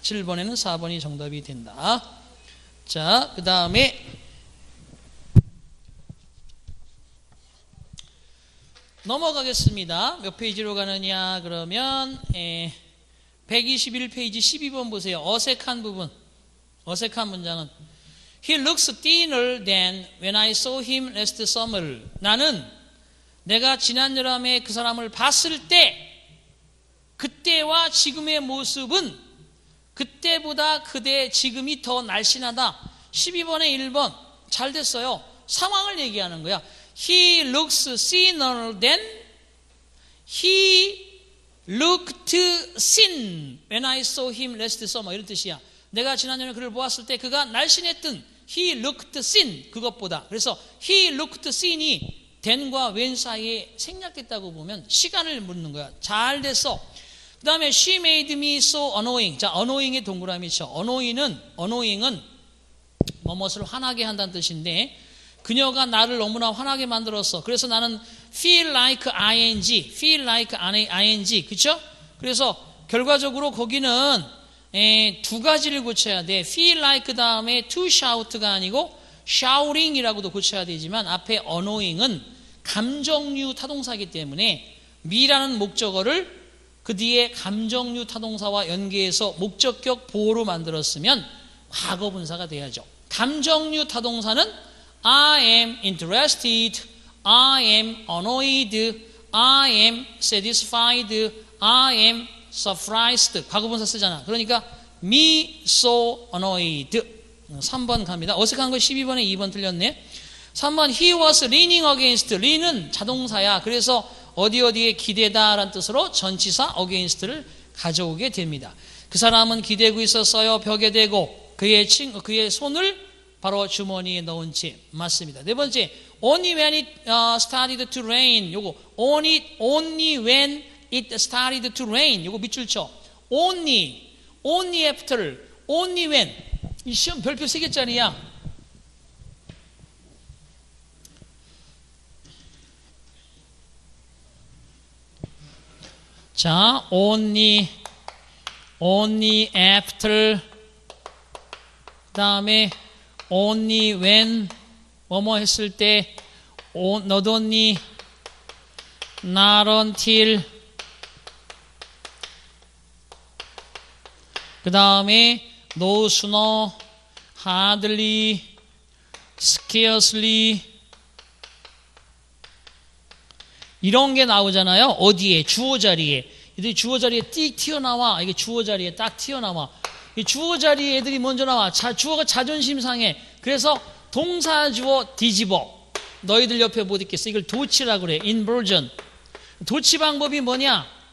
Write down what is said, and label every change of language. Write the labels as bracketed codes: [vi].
[ko] 7번에는 4번이 정답이 된다. 자, 그 다음에 넘어가겠습니다. 몇 페이지로 가느냐 그러면 121페이지 12번 보세요. 어색한 부분, 어색한 문장은 [en] He looks thinner than when I saw him last summer. [ko] 나는 내가 지난 여름에 그 사람을 봤을 때 그때와 지금의 모습은 그때보다 그대 지금이 더 날씬하다. 12번에 1번 잘 됐어요. 상황을 얘기하는 거야. [en] He looks thinner than he looked thin when I saw him last summer. [ko] 이런 뜻이야. 내가 지난년에 그를 보았을 때 그가 날씬했던 [en] he looked thin [ko] 그것보다. 그래서 [en] he looked thin [ko] 이 than과 when 사이에 생략됐다고 보면 시간을 묻는 거야. 잘 됐어. 그 다음에 [en] she made me so annoying. [ko] 자, annoying의 동그라미 쳐. annoying은 뭐뭐를 화나게 한다는 뜻인데 그녀가 나를 너무나 화나게 만들었어. 그래서 나는 feel like ing, feel like ing, 그렇죠? 그래서 결과적으로 거기는 두 가지를 고쳐야 돼. feel like 다음에 to shout가 아니고 shouting이라고도 고쳐야 되지만 앞에 annoying은 감정류 타동사이기 때문에 me라는 목적어를 그 뒤에 감정류 타동사와 연계해서 목적격 보호로 만들었으면 과거분사가 돼야죠. 감정류 타동사는 [en] I am interested, I am annoyed, I am satisfied, I am surprised. [ko] 과거분사 쓰잖아. 그러니까 me so annoyed. 3번 갑니다. 어색한 거 12번에 2번 틀렸네. 3번 [en] he was leaning against. [ko] lean은 자동사야. 그래서 어디 어디에 기대다라는 뜻으로 전치사 against를 가져오게 됩니다. 그 사람은 기대고 있었어요. 벽에 대고 그의 손을 바로 주머니에 넣은 채. 맞습니다. 네 번째, [en] only when it started to rain. [ko] 요거 [en] only when it started to rain. [ko] 요거 밑줄 쳐. only after, only when. 이 시험 별표 세 개짜리야. 자, only after. 다음에 only when 뭐뭐 했을 때 not only not until 그 다음에 no sooner hardly scarcely 이런 게 나오잖아요. 어디에 주어자리에 이들이 주어자리에 띡 튀어나와. 이게 주어자리에 딱 튀어나와. 이 주어 자리에 애들이 먼저 나와. 자, 주어가 자존심 상해. 그래서 동사 주어 뒤집어. 너희들 옆에 못 있겠어. 이걸 도치라고 그래. inversion. 도치 방법이 뭐냐?